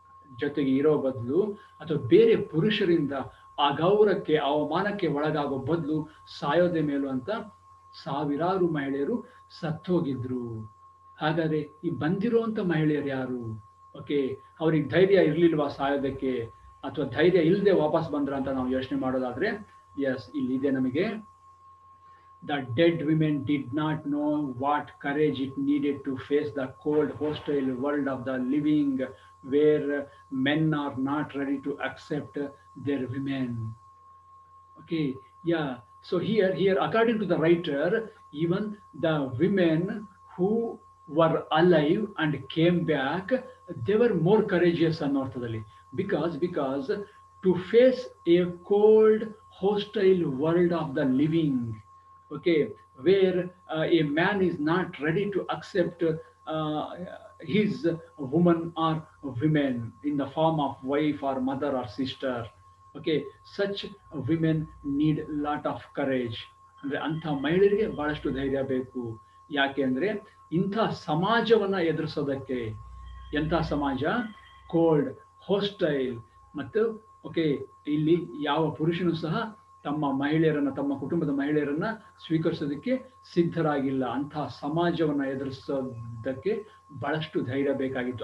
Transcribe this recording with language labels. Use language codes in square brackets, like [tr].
[kn] ಜೊತೆಗೆ ಇರೋ ಬದಲು ಅಥವಾ ಬೇರೆ ಪುರುಷರಿಂದ ಆ ಗೌರವಕ್ಕೆ ಅವಮಾನಕ್ಕೆ ಒಳಗಾಗೋ ಬದಲು ಸಾಯೋದೆ ಮೇಲು ಅಂತ ಸಾವಿರಾರು ಮಹಿಳೆಯರು ಸತ್ತೋಗಿದ್ರು ಹಾಗಾದ್ರೆ ಈ ಬಂದಿರುವಂತ ಮಹಿಳೆಯರು ಯಾರು ಓಕೆ ಅವ್ರಿಗೆ ಧೈರ್ಯ ಇರಲಿಲ್ವಾ ಸಾಯೋದಕ್ಕೆ ಅಥವಾ ಧೈರ್ಯ ಇಲ್ಲದೆ ವಾಪಸ್ ಬಂದ್ರ ಅಂತ ನಾವು ಯೋಚನೆ ಮಾಡೋದಾದ್ರೆ ಯಸ್ ಇಲ್ಲಿದೆ ನಮಗೆ [en] The dead women did not know what courage it needed to face the cold hostile world of the living where men are not ready to accept their women. Okay, yeah. So here, according to the writer, even the women who were alive and came back, they were more courageous than orthodoxy. Because to face a cold, hostile world of the living, okay, where a man is not ready to accept his woman or women in the form of wife or mother or sister. Okay, such women need lot of courage. [kn] ಅಂದ್ರೆ ಅಂತ ಮಹಿಳೆಯರಿಗೆ ಬಹಳಷ್ಟು ಧೈರ್ಯ ಬೇಕು ಯಾಕೆ ಅಂದ್ರೆ ಇಂಥ ಸಮಾಜವನ್ನು ಎದುರಿಸೋದಕ್ಕೆ, ಎಂಥ ಸಮಾಜ, [en] cold hostile, [kn] ಮತ್ತು ಓಕೆ ಇಲ್ಲಿ ಯಾವ ಪುರುಷನು ಸಹ ತಮ್ಮ ಮಹಿಳೆಯರನ್ನು, ತಮ್ಮ ಕುಟುಂಬದ ಮಹಿಳೆಯರನ್ನು ಸ್ವೀಕರಿಸೋದಕ್ಕೆ ಸಿದ್ಧರಾಗಿಲ್ಲ, ಅಂಥ ಸಮಾಜವನ್ನು ಎದುರಿಸೋದಕ್ಕೆ ಬಹಳಷ್ಟು ಧೈರ್ಯ ಬೇಕಾಗಿತ್ತು.